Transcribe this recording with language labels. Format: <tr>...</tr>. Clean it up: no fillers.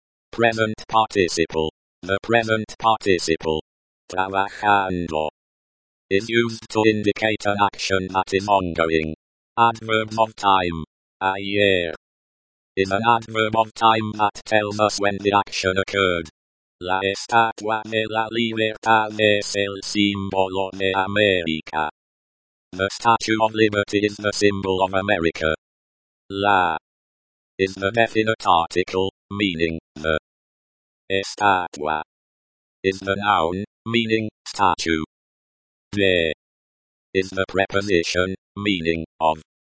<en>Present participle, the present participle, trabajando, is used to indicate an action that is ongoing. Adverb of time, ayer, is an adverb of time that tells us when the action occurred.</en> <es>La estatua de la libertad es el símbolo de América.</es> <en>The Statue of Liberty is the symbol of America. La is the definite article, meaning the. Estatua is the noun, meaning statue. De is the preposition, meaning of.</en>